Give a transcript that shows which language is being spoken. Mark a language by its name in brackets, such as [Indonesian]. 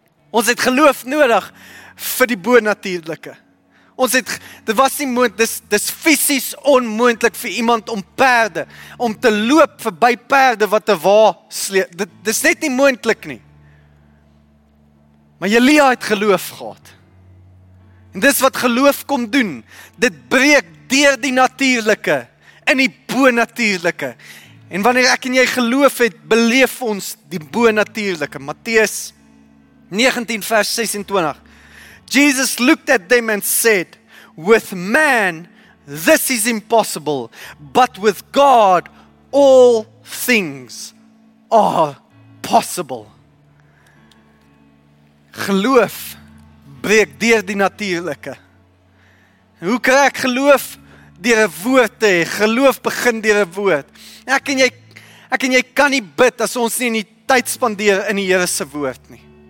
[Afrikaans] Ons het geloof nodig vir die bonatuurlike. Ons het, dit was nie moontlik, dis fisies onmoontlik vir iemand om perde, om te loop verby perde wat 'n wa sleep. Dis net nie moontlik nie. Maar Elia het geloof gehad. En dis wat geloof kom doen. Dit breek deur die natuurlike in die bonatuurlike. En wanneer ek en jy geloof het, beleef ons die bonatuurlike. Matteus 19 vers 26. [English] Jesus looked at them and said, with man, this is impossible, but with God, all things are possible. [Afrikaans] Geloof breek deur die natuurlike. Hoe kry ek geloof? Deur 'n woord te hê. Geloof begin deur 'n woord. Ek en jy kan nie bid as ons nie in die tyd spandeer in die Here se woord nie.